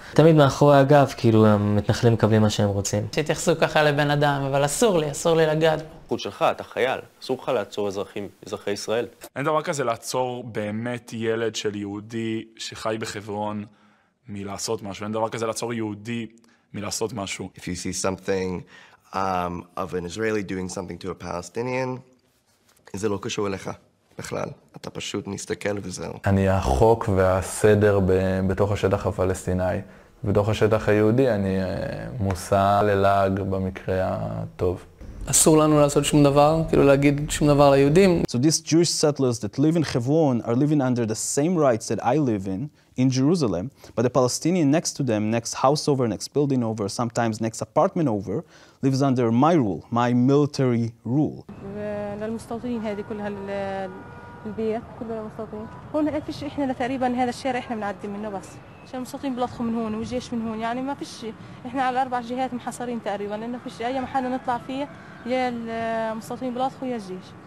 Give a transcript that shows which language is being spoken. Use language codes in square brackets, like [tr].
[he] תמיד מאחורי הגב, כאילו המתנחלים מקבלים מה שהם רוצים. שיתייחסו ככה לבן אדם, אבל אסור לי לגעת. חוץ שלך, אתה חייל, אסור לך לעצור אזרחים, אזרחי ישראל. אין דבר כזה לעצור באמת ילד של יהודי שחי בחברון מלעשות משהו. אין דבר כזה לעצור יהודי מלעשות משהו. [en] If you see something of an Israeli doing something to a Palestinian, [he] זה לא קשור אליך. בכלל, אתה פשוט מסתכל וזהו. אני החוק והסדר בתוך השטח הפלסטיני. בתוך השטח היהודי אני מושא ללעג במקרה הטוב. אסור לנו לעשות שום דבר, כאילו להגיד שום דבר ליהודים. [en] So these Jewish settlers that live in Hebron are living under the same rights that I live in Jerusalem, but the Palestinian next to them, next house over, next building over, sometimes next apartment over, lives under my rule, my military rule. [ar] للمستوطنين هذه كل هالبيت كل المستوطنين هون ما فيش احنا تقريبا هذا الشارع احنا بنعدي منه بس عشان المستوطنين بلطخوا من هون وجيش من هون يعني ما فيش احنا على اربع جهات محاصرين تقريبا لانه فيش اي محل نطلع فيه يا المستوطنين بلطخوا يا الجيش